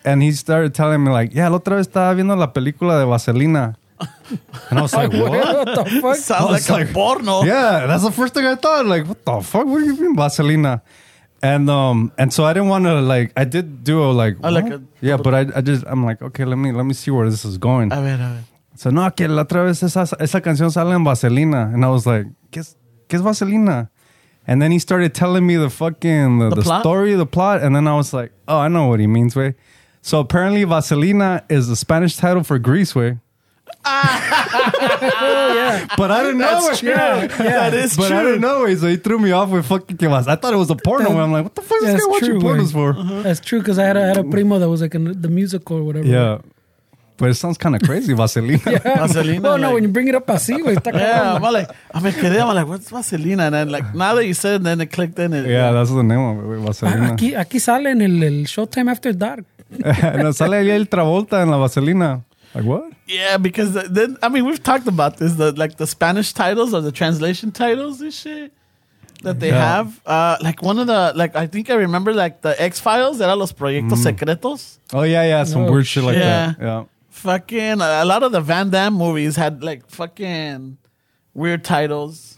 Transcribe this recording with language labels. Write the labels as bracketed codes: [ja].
[en] And he started telling me like, yeah, [es] la otra vez estaba viendo la película de Vaselina. [en] And I was like, what? What the fuck? Sounds like a porno. Yeah, that's the first thing I thought. Like, what the fuck? What do you mean Vaselina? And so I didn't want to like, I did do a like, but I'm like, okay, let me see where this is going. [es] A ver. So no, que la otra vez esa canción sale en Vaselina. [en] And I was like, [es] ¿Qué es Vaselina? [en] And then he started telling me the fucking the story, the plot. And then I was like, oh, I know what he means, way. So apparently Vaselina is the Spanish title for grease, way. But I didn't know. That's true. Yeah. That is but true. But I didn't know. Way. So he threw me off with fucking kibas. I thought it was a porno. I'm like, what the fuck is this guy watching pornos for? Uh-huh. That's true. Because I had a primo that was like in the musical or whatever. Yeah. But it sounds kind of crazy, Vaselina. Yeah. Vaselina. Well, no, like, when you bring it up [es] así, güey. [en] I'm like, what's Vaselina? And then, like, now that you said it, then it clicked in. It, yeah, that's the name of it, Vaselina. [es] Aquí sale en el Showtime After Dark. No, sale ahí el Travolta en la Vaselina. [en] Like, what? Yeah, because then, I mean, we've talked about this, the Spanish titles or the translation titles and shit that they have. Like, one of the, like, I think I remember, like, the X-Files, [es] era los proyectos secretos. [en] Oh, yeah, some weird shit like that. Yeah. Fucking a lot of the Van Damme movies had like fucking weird titles.